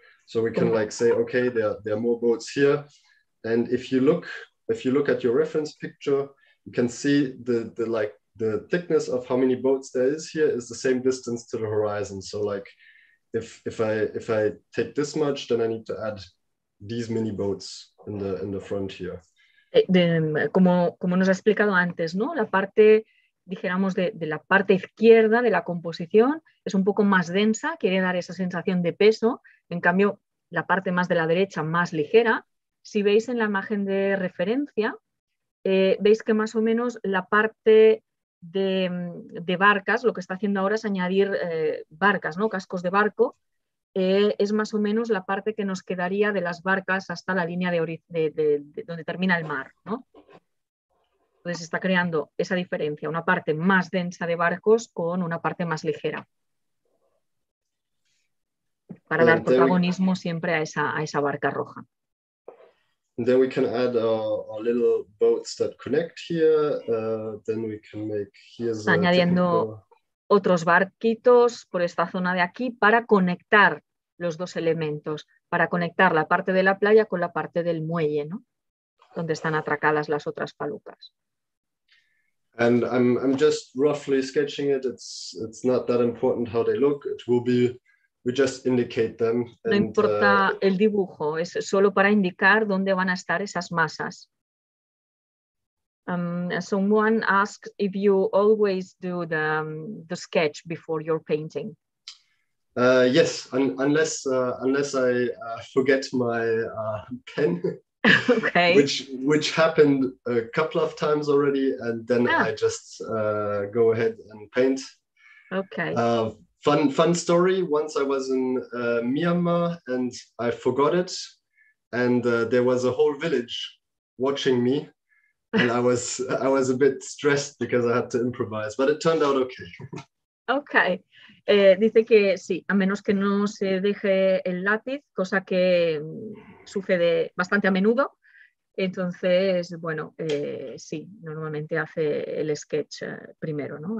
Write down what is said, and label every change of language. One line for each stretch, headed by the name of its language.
English: So we can like say, okay, there are more boats here. And if you look at your reference picture, you can see the thickness of how many boats there is here is the same distance to the horizon. So like if I take this much, then I need to add these many boats in the front here.
Spanish: Como nos ha explicado antes, ¿no? La parte, dijéramos, de la parte izquierda de la composición es un poco más densa, quiere dar esa sensación de peso. En cambio, la parte más de la derecha, más ligera, si veis en la imagen de referencia, veis que más o menos la parte de barcas, lo que está haciendo ahora es añadir barcas, ¿no? Cascos de barco, es más o menos la parte que nos quedaría de las barcas hasta la línea de donde termina el mar, ¿no? Entonces está creando esa diferencia, una parte más densa de barcos con una parte más ligera. Para dar protagonismo siempre a esa barca roja.
English: Then we can add our little boats that connect here. Then we can make here's
Spanish: añadiendo otros barquitos por esta zona de aquí para conectar los dos elementos, para conectar la parte de la playa con la parte del muelle, ¿no? Donde están atracadas las otras palucas.
English: And I'm just roughly sketching it. It's not that important how they look. It will be. We just indicate them.
Spanish: No importa el dibujo, es solo para indicar dónde van a estar esas masas.
English: Someone asks if you always do the sketch before your painting. Yes, unless I forget my pen. Okay. Which happened a couple of times already, and then I just go ahead and paint. Okay. Fun story. Once I was in Myanmar and I forgot it, and there was a whole village watching me, and I was a bit stressed because I had to improvise, but it turned out okay. Okay.
Spanish: Dice que sí, a menos que no se deje el lápiz, cosa que sucede bastante a menudo. Entonces, bueno, sí, normalmente hace el sketch primero, ¿no?